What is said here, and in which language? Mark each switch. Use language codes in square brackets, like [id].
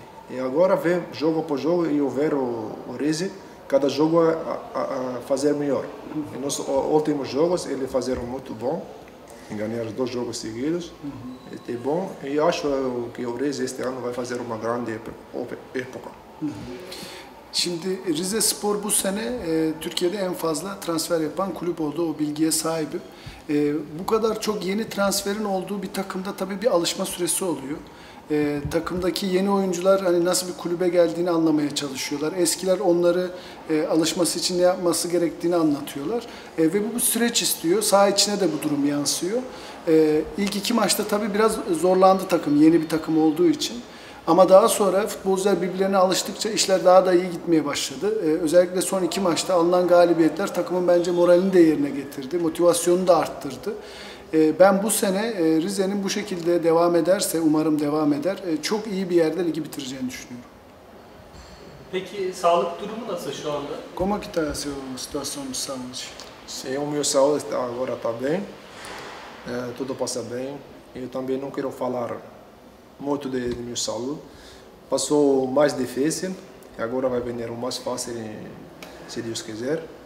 [pt] E agora vem jogo por jogo e eu ver o Rize cada jogo a fazer melhor. Em nos últimos jogos ele fazer muito bom, ganhar 2 jogos seguidos, é bom. E eu acho que o Rize este ano vai fazer uma grande época. [tr] Şimdi Rize Spor bu sene Türkiye'de en fazla transfer yapan kulüp oldu. O bilgiye sahibim. Bu kadar çok yeni transferin olduğu bir takımda tabii bir alışma süresi oluyor. Takımdaki yeni oyuncular hani nasıl bir kulübe geldiğini anlamaya çalışıyorlar. Eskiler onları alışması için ne yapması gerektiğini anlatıyorlar. Ve bu süreç istiyor. Saha içine de bu durum yansıyor. İlk iki maçta tabii biraz zorlandı takım, yeni bir takım olduğu için. Ama daha sonra futbolcular birbirlerine alıştıkça işler daha da iyi gitmeye başladı. Özellikle son iki maçta alınan galibiyetler takımın bence moralini de yerine getirdi. Motivasyonunu da arttırdı. Ben bu sene Rize'nin bu şekilde devam ederse, umarım devam eder, çok iyi bir yerde ligi bitireceğini düşünüyorum. Peki sağlık durumu nasıl şu anda? [pt] Como que está a sua situação de saúde? Sim, o meu saúde está agora está bem. Tudo passa bem. Eu também não quero falar muito de meu saúde. Passou mais difícil e agora vai vir o mais fácil, se Deus quiser.